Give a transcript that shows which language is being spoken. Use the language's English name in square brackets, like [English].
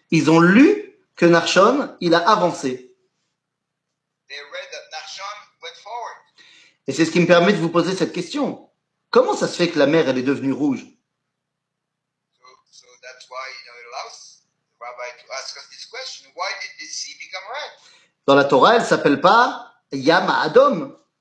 [French] Ils ont lu que Nachshon, il a avancé. [English] They read that Nachshon went forward. [French] Et c'est ce qui me permet de vous poser cette question. Comment ça se fait que la mer, elle est devenue rouge? [English] So that's why, you know, it allows the rabbi to ask us this question. Why did the sea become red? [French] Dans la Torah, elle ne s'appelle pas Yama Adom.